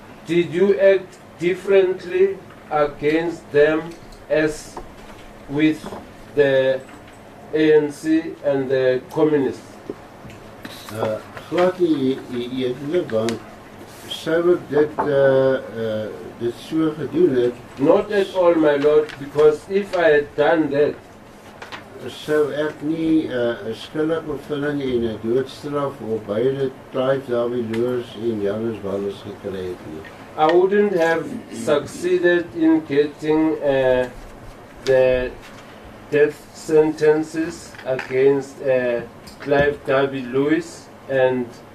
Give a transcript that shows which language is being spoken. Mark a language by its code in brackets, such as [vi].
[en] Did you act differently against them as with the ANC and the communists? [af] Glad nie, want sou ek dit so gedoen het? [en] Not at all, my lord, because if I had done that, [af] sou ek nie skuldig bevind en 'n doodstraf op beide Clive Darby Lewis en Janus Wallis gekry het nie. [en] I wouldn't have succeeded in getting the death sentences against Clive Darby Lewis and